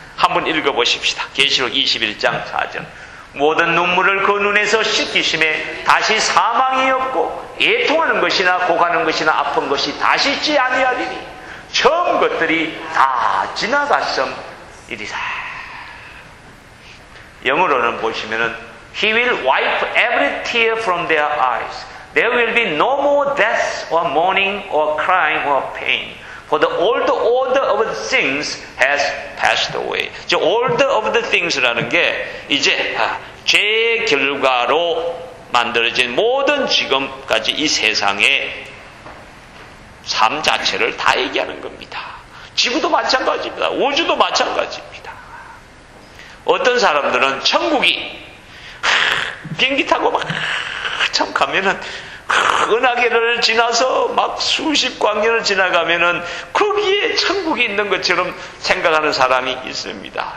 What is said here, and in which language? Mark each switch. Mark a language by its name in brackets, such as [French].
[Korean] 한번 읽어보십시다. 계시록 21장 4절 모든 눈물을 그 눈에서 씻기심에 다시 사망이 없고 애통하는 것이나 고가는 것이나 아픈 것이 다시 있지 아니하리니 처음 것들이 다 지나갔음이리라. 영어로는 보시면은 [English] He will wipe every tear from their eyes. There will be no more death or mourning or crying or pain. For the old order of things has passed away. [Korean] 저 order of the things라는 게 이제 죄 결과로 만들어진 모든 지금까지 이 세상의 삶 자체를 다 얘기하는 겁니다. 지구도 마찬가지입니다. 우주도 마찬가지입니다. 어떤 사람들은 천국이 비행기 타고 막 참 가면은 은하계를 지나서 막 수십 광년을 지나가면은 거기에 천국이 있는 것처럼 생각하는 사람이 있습니다.